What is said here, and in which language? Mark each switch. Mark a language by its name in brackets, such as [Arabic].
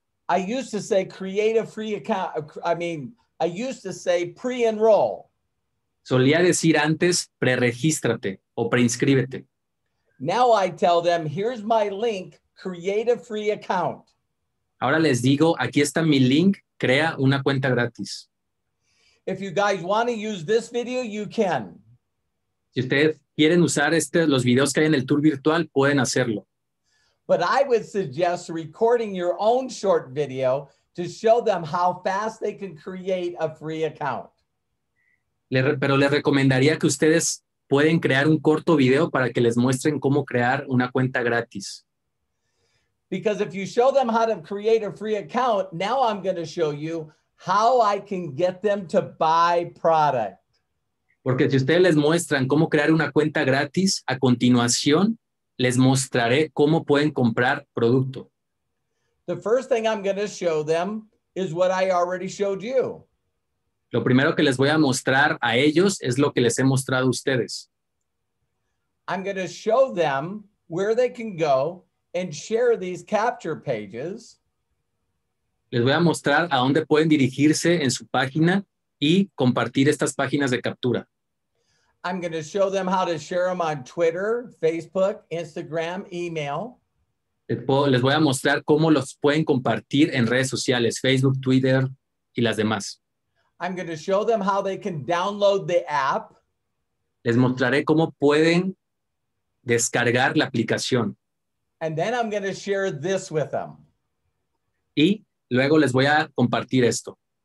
[English] I used to say create a free account. I mean, I used to say pre-enroll. [Spanish] Solía decir antes, preregístrate o preinscríbete. [English] Now I tell them, here's my link, create a free account. [Spanish] Ahora les digo, aquí está mi link, crea una cuenta gratis. [English] If you guys want to use this video, you can. [Spanish] Si ustedes quieren usar los videos que hay en el tour virtual, pueden hacerlo. [English] But I would suggest recording your own short video to show them how fast they can create a free account. [Spanish] Pero les recomendaría que ustedes pueden crear un corto video para que les muestren cómo crear una cuenta gratis. [English] Because if you show them how to create a free account, now I'm going to show you how I can get them to buy product. [Spanish] Porque si ustedes les muestran cómo crear una cuenta gratis, a continuación les mostraré cómo pueden comprar producto. [English] The first thing I'm going to show them is what I already showed you. [Spanish] Lo primero que les voy a mostrar a ellos es lo que les he mostrado a ustedes. [English] I'm going to show them where they can go and share these capture pages. [Spanish] Les voy a mostrar a dónde pueden dirigirse en su página y compartir estas páginas de captura. [English] I'm going to show them how to share them on Twitter, Facebook, Instagram, email. [Spanish] Les voy a mostrar cómo los pueden compartir en redes sociales, Facebook, Twitter y las demás. [English] I'm going to show them how they can download the app. [Spanish] Les mostraré cómo pueden descargar la aplicación. [English] And then I'm going to share this with them. [Spanish] Y luego les voy a compartir esto.